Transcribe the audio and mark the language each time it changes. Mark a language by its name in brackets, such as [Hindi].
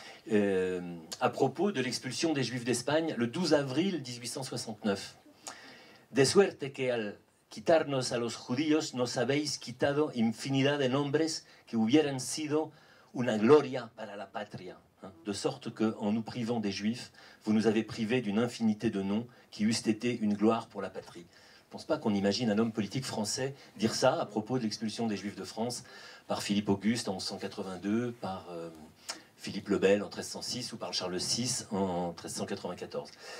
[French] à propos de l'expulsion des Juifs d'Espagne le 12 avril 1869. [Spanish] De suerte que al quitarnos a los judíos nos habéis quitado infinidad de nombres que hubieran sido una gloria para la patria. [French] De sorte qu'en nous privant des Juifs, vous nous avez privés d'une infinité de noms qui eussent été une gloire pour la patrie. Je ne pense pas qu'on imagine un homme politique français dire ça à propos de l'expulsion des Juifs de France par Philippe Auguste en 1182, par Philippe le Bel en 1306 ou par Charles VI en 1394.